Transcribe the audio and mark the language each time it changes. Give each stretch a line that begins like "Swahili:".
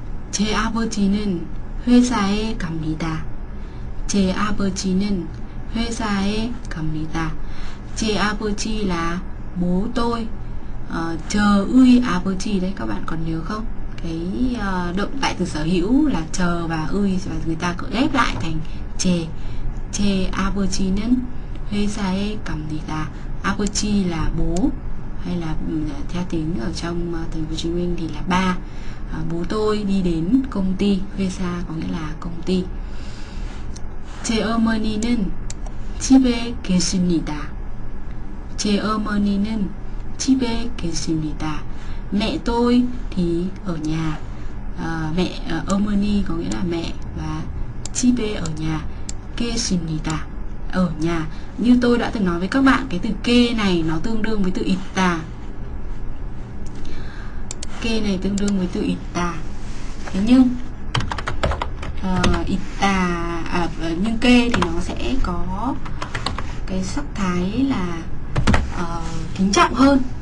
Korean: 제 아버지는 회사에 갑니다. 제 아버지는 회사에 갑니다. 제 아버지
Vietnamese: là bố tôi.
Korean: 저의 아버지
Vietnamese: đấy, các bạn còn nhớ không? Cái động tại từ sở hữu là 저 và 의, và người ta cứ ghép lại thành 제.
Korean: 제 아버지는 회사에 갑니다.
Vietnamese: 아버지 là bố, hay là theo tiếng ở trong thành phố Hồ Chí Minh thì là ba. Bố tôi đi đến công ty, 회사 có nghĩa là công ty.
Korean: 제 어머니는 집에 계십니다. 제 어머니는 집에 계십니다.
Vietnamese: Mẹ tôi thì ở nhà. Mẹ, 어머니 có nghĩa là mẹ, và 집에 ở nhà. 계십니다 ở nhà. Như tôi đã từng nói với các bạn, cái từ 계 này nó tương đương với từ 있다. 계 này tương đương với từ 있다. Thế nhưng 있다, nhưng 계 thì nó sẽ có cái sắc thái là kính trọng hơn.